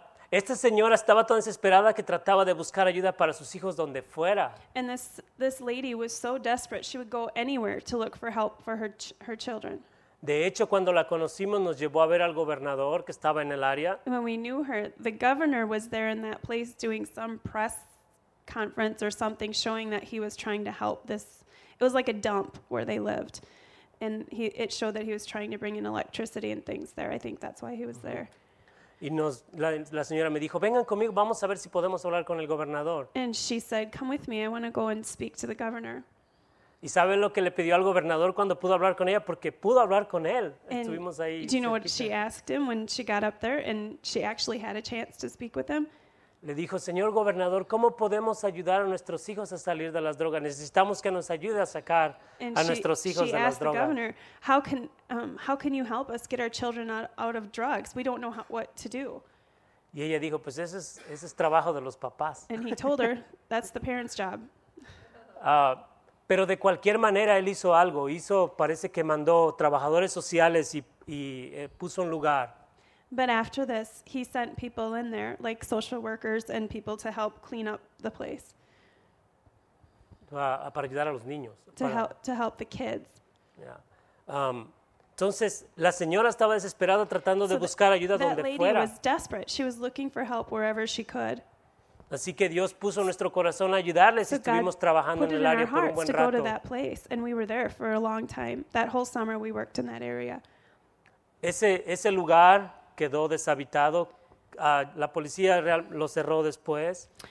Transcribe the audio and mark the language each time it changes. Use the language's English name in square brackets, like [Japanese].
[Spanish] Esta señora estaba tan desesperada que trataba de buscar ayuda para sus hijos donde fuera. [English] And this lady was so desperate, she would go anywhere to look for help for her children. [Spanish] De hecho, cuando la conocimos, nos llevó a ver al gobernador que estaba en el área. [English] When we knew her, the governor was there in that place doing some press conference or something, showing that he was trying to help this. It was like a dump where they lived. And it showed that he was trying to bring in electricity and things there. I think that's why he was there. [Spanish] Y la señora me dijo, vengan conmigo, vamos a ver si podemos hablar con el gobernador. [English] And she said, come with me, I want to go and speak to the governor. [Spanish] ¿Y saben lo que le pidió al gobernador cuando pudo hablar con ella? Porque pudo hablar con él. And estuvimos ahí. [English] Do you know what she asked him when she got up there and she actually had a chance to speak with him? [Spanish] Le dijo, señor gobernador, ¿cómo podemos ayudar a nuestros hijos a salir de las drogas? Necesitamos que nos ayude a sacar [English] and a she, [Spanish] nuestros hijos de las drogas. [English] She asked the governor, how can you help us get our children out of drugs? We don't know what to do. [Spanish] Y ella dijo, pues ese es trabajo de los papás. [English] And he told her, that's the parents' job. [Spanish] Pero de cualquier manera, él hizo algo. Parece que mandó trabajadores sociales y puso un lugar. [English] But after this, he sent people in there, like social workers and people to help clean up the place. [Spanish] Para ayudar a los niños. [English] To help the kids. [Spanish] Entonces, la señora estaba desesperada tratando de buscar ayuda donde fuera. [English] That lady was desperate. She was looking for help wherever she could. [Spanish] Así que Dios puso nuestro corazón a ayudarles y estuvimos trabajando en el área por un buen rato. [English] To go to that place, and we were there for a long time. That whole summer we worked in that area. [Spanish] Ese lugar quedó deshabitado. La policía lo cerró después.